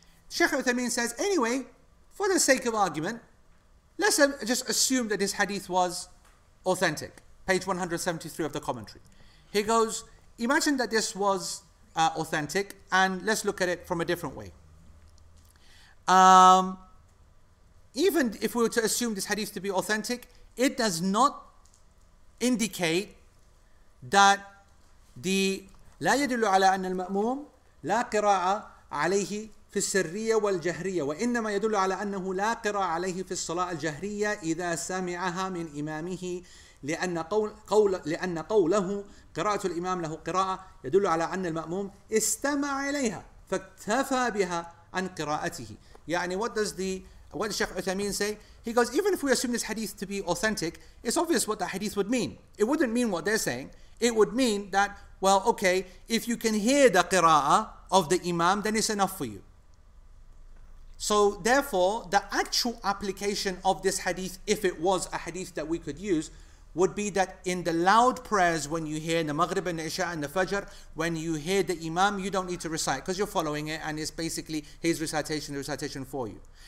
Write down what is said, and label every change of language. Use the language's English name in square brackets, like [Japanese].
[English] Sheikh Uthaymeen says, anyway, for the sake of argument, let's just assume that this hadith was authentic. Page 173 of the commentary. He goes, imagine that this was authentic, and let's look at it from a different way. Even if we were to assume this hadith to be authentic, it does not indicate that the [Arabic] لا يدل على أن المأموم لا قراءة عليه في السرية والجهرية وإنما يدل على أنه لا قراءة عليه في الصلاة الجهرية إذا سمعها من إمامه لأن قوله قراءة الإمام له قراءة يدل على أن المأموم استمع إليها فاكتفى بها عن قراءته. [English] يعني what does Sheikh Uthaymeen say? He goes, even if we assume this hadith to be authentic, it's obvious what that hadith would mean. It wouldn't mean what they're saying. It would mean that, well, okay, if you can hear the qira'ah of the imam, then it's enough for you. So therefore, the actual application of this hadith, if it was a hadith that we could use, would be that in the loud prayers, when you hear the Maghrib and the Isha and the Fajr, when you hear the imam, you don't need to recite because you're following it and it's basically his recitation, the recitation for you.